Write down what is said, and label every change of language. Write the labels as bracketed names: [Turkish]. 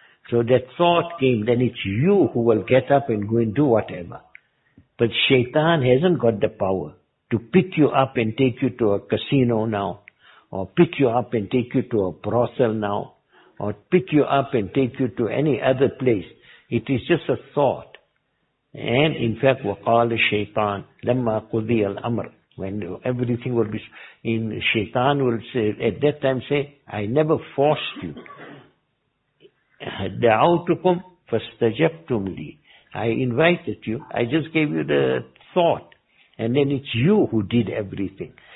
[English] So that thought came, then it's you who will get up and go and do whatever. But shaitan hasn't got the power to pick you up and take you to a casino now, or pick you up and take you to a brothel now, or pick you up and take you to any other place. It is just a thought. And in fact, [Arabic] وَقَالَ الشَّيْطَانِ لَمَّا قُضِيَ الْأَمْرِ. [English] When everything will be, in shaitan will say, at that time say, I never forced you. [Arabic] دَعَوْتُكُمْ فَاسْتَجَبْتُمْ لِي. [English] I invited you, I just gave you the thought. And then it's you who did everything.